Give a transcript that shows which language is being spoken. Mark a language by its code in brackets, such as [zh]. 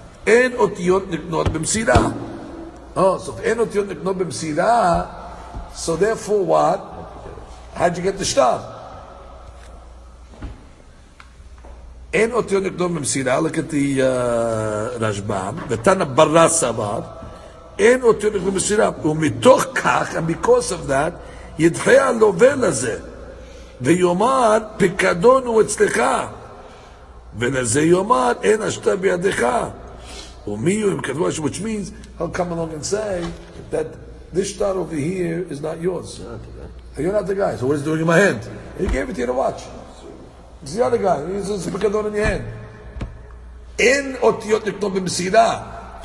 [he] אין אותיות נקנות במסירה. [en] Oh, so if [he] אין אותיות נקנות במסירה, [en] so therefore what? How'd you get the stuff? [he] אין אותיות נקנות במסירה, [en] look at the [he] רשב"ם, ותנא ברא סבא, אין אותיות נקנות במסירה, ומתוך כך, [en] and because of that, [he] ידחה הלווה לזה, ויאמר, פיקדון הוא אצלך, ולזה יאמר, אין השטר בידך. [en] Which means he'll come along and say that this shtar over here is not yours. You're not the guy. So what is he doing in my hand? He gave it to you to watch. It's the other guy. He's a pikadon in your hand. [he] In otiyot nikno b'mesira.